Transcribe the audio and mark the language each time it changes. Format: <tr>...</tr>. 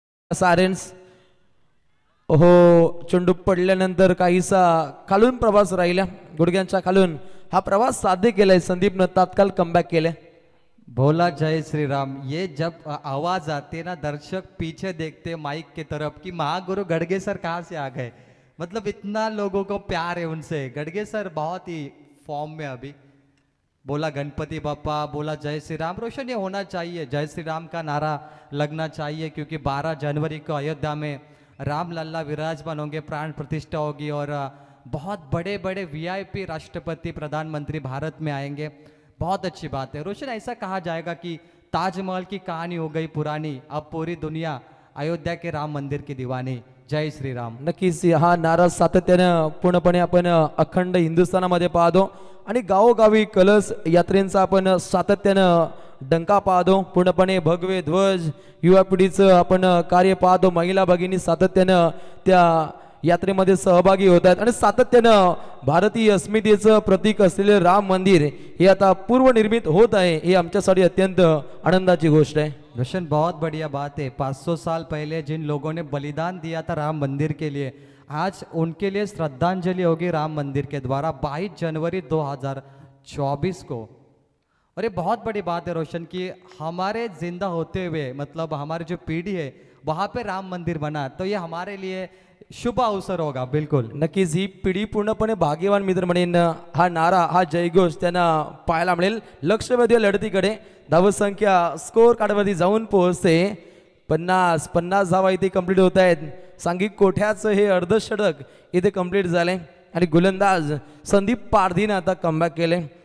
<mr>सारेन्स, ओहो, चंडू पडल्यानंतर काहीसा खालून प्रवास राहिला, गुडघ्यांच्या खालून हा प्रवास साध्य केलाय संदीपनं. तात्काळ कमबॅक केलंय. भोला जय श्रीराम.</mr> <hi>ये जब आवाज आते ना, दर्शक पीछे देखते माइक के तरफ की महागुरु गडगे सर कहां से आ गए. मतलब इतना लोगों को प्यार है उनसे. गडगे सर बहुत ही फॉर्म में अभी.</hi> <mr>बोला गणपति बापा,</mr> <hi>बोला जय श्री राम. रोशन ये होना चाहिए, जय श्री राम का नारा लगना चाहिए, क्योंकि 12 जनवरी को अयोध्या में रामलला विराजमान होंगे, प्राण प्रतिष्ठा होगी और बहुत बड़े बड़े VIP राष्ट्रपति प्रधानमंत्री भारत में आएंगे. बहुत अच्छी बात है. रोशन ऐसा कहा जाएगा कि ताजमहल की कहानी हो गई पुरानी, अब पूरी दुनिया अयोध्या के राम मंदिर की दीवानी. जय श्री राम.</hi> <mr>नक्कीच हा नारा सातत्यानं पूर्णपणे आपण अखंड हिंदुस्थानामध्ये पाहतो आणि गावोगावी कलश यात्रेंचा आपण सातत्यानं डंका पाहतो. पूर्णपणे भगवे ध्वज युवा पिढीचं आपण कार्य पाहतो. महिला भगिनी सातत्यानं त्या यात्रेमध्ये सहभागी होत आहेत आणि सातत्यानं भारतीय अस्मितेचं प्रतीक असलेलं राम मंदिर हे आता पूर्वनिर्मित होत आहे. हे आमच्यासाठी अत्यंत आनंदाची गोष्ट आहे.</mr> <hi>रोशन बहुत बढ़िया बात है. 500 साल पहले जिन लोगों ने बलिदान दिया था राम मंदिर के लिए, आज उनके लिए श्रद्धांजलि होगी राम मंदिर के द्वारा 22 जनवरी 2024 को. और ये बहुत बड़ी बात है रोशन, कि हमारे जिंदा होते हुए, मतलब हमारी जो पीढ़ी है वहाँ पे राम मंदिर बना, तो ये हमारे लिए शुभ अवसर होगा. बिल्कुल</hi> <mr>नक्कीच ही पीढ़ी पूर्णपणे भाग्यवान मित्र म्हणेन. हा नारा हा जयघोष त्यांना पाहायला मिळेल. लक्षवेधी लढतीकडे धावसंख्या स्कोर कार्डवरती जाऊन पोहोचते. 50 धावा इथे कंप्लीट होत आहेत. सांघिक कोठ्याचं हे अर्धषटक इथे कंप्लीट झालंय आणि गोलंदाज संदीप पारधीनं आता कमबॅक केलंय.</mr>